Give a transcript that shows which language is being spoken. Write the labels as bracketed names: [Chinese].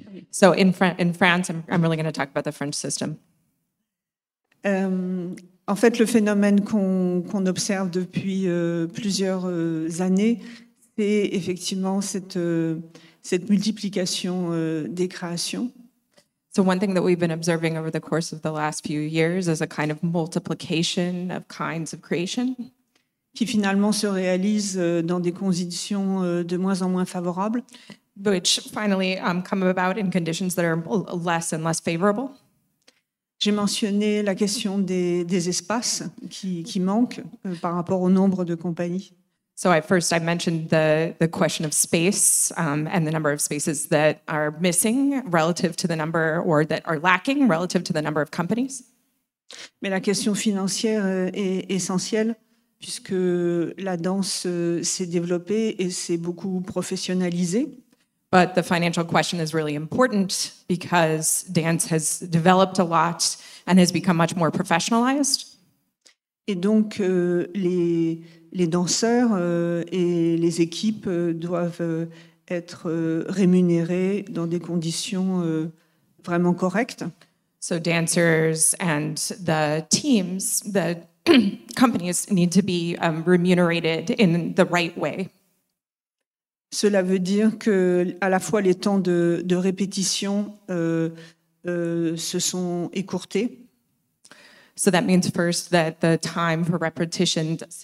[English] So in France, I'm really going to talk about the French system. [French] En fait, le phénomène qu'on observe depuis plusieurs années, c'est effectivement cette multiplication des créations. [English] So one thing that we've been observing over the course of the last few years is a kind of multiplication of kinds of creation. [French] Qui finalement se réalise dans des conditions de moins en moins favorables. [English] Which finally come about in conditions that are less and less favorable. [French] J'ai mentionné la question des espaces qui manquent par rapport au nombre de compagnies. [English] So I mentioned the question of space and the number of spaces that are missing relative to the number or that are lacking relative to the number of companies. [French] Mais la question financière est essentielle puisque la danse s'est développée et s'est beaucoup professionnalisée. [English] But the financial question is really important because dance has developed a lot and has become much more professionalized. [French] Et donc les danseurs et les équipes doivent être rémunérés dans des conditions vraiment correctes. [English] So dancers and the teams, the companies need to be remunerated in the right way. [French] Cela veut dire que à la fois les temps de répétition se sont écourtés. [English] So that means first that the time for repetition.